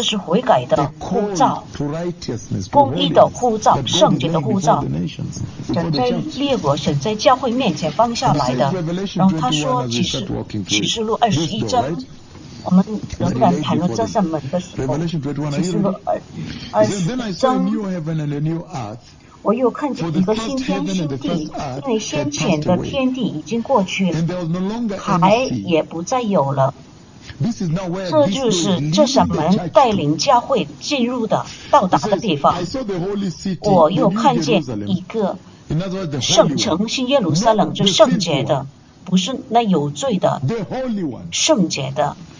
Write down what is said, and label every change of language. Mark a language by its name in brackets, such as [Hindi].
[Chinese] 这是悔改的呼召，公义的呼召，圣洁的呼召，神在列国，神在教会面前放下来的。然后他说，启示录21章，我们仍然谈论这扇门的时候，启示录21章， [English] then I saw a new heaven and a new earth. [Chinese] 我又看见一个新天新地，因为先前的天地已经过去了，海也不再有了。这就是这扇门带领教会进入的到达的地方。我又看见一个圣城新耶路撒冷，就圣洁的，不是那有罪的，圣洁的。